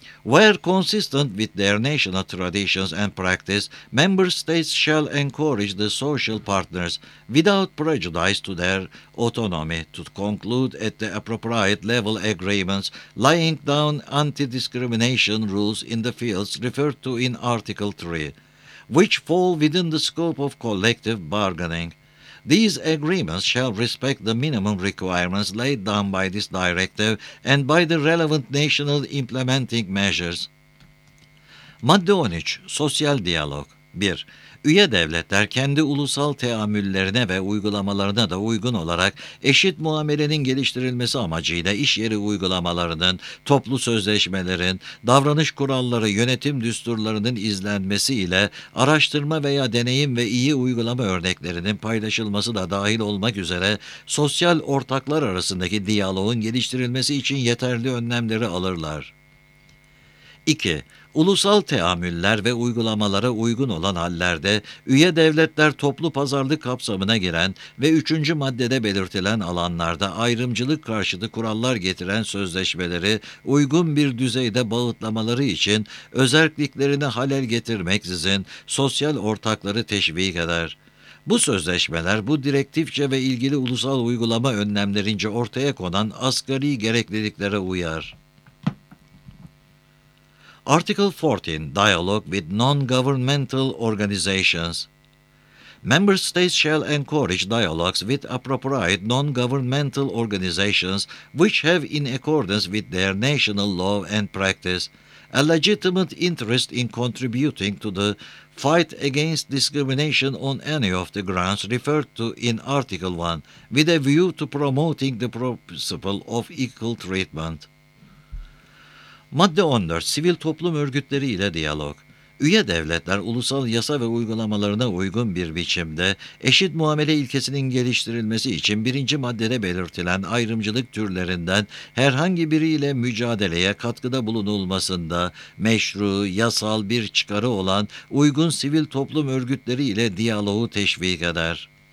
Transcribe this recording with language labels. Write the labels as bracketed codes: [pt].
[en] Where consistent with their national traditions and practice, member states shall encourage the social partners, without prejudice to their autonomy, to conclude at the appropriate level agreements, laying down anti-discrimination rules in the fields referred to in Article 3, which fall within the scope of collective bargaining. These agreements shall respect the minimum requirements laid down by this directive and by the relevant national implementing measures. [tr] Madde 13. Sosyal Diyalog 1. Üye devletler kendi ulusal teamüllerine ve uygulamalarına da uygun olarak eşit muamelenin geliştirilmesi amacıyla iş yeri uygulamalarının, toplu sözleşmelerin, davranış kuralları, yönetim düsturlarının izlenmesiyle araştırma veya deneyim ve iyi uygulama örneklerinin paylaşılması da dahil olmak üzere sosyal ortaklar arasındaki diyaloğun geliştirilmesi için yeterli önlemleri alırlar. 2. Ulusal teamüller ve uygulamalara uygun olan hallerde üye devletler toplu pazarlık kapsamına giren ve 3. maddede belirtilen alanlarda ayrımcılık karşıtı kurallar getiren sözleşmeleri uygun bir düzeyde bağıtlamaları için özelliklerine halel getirmeksizin sosyal ortakları teşvik eder. Bu sözleşmeler bu direktifçe ve ilgili ulusal uygulama önlemlerince ortaya konan asgari gerekliliklere uyar. [en] Article 14. Dialogue with Non-Governmental Organizations. Member states shall encourage dialogues with appropriate non-governmental organizations which have, in accordance with their national law and practice, a legitimate interest in contributing to the fight against discrimination on any of the grounds referred to in Article 1, with a view to promoting the principle of equal treatment. [tr] Madde 14. Sivil toplum örgütleri ile diyalog. Üye devletler ulusal yasa ve uygulamalarına uygun bir biçimde eşit muamele ilkesinin geliştirilmesi için 1. maddede belirtilen ayrımcılık türlerinden herhangi biriyle mücadeleye katkıda bulunulmasında meşru, yasal bir çıkarı olan uygun sivil toplum örgütleri ile diyaloğu teşvik eder.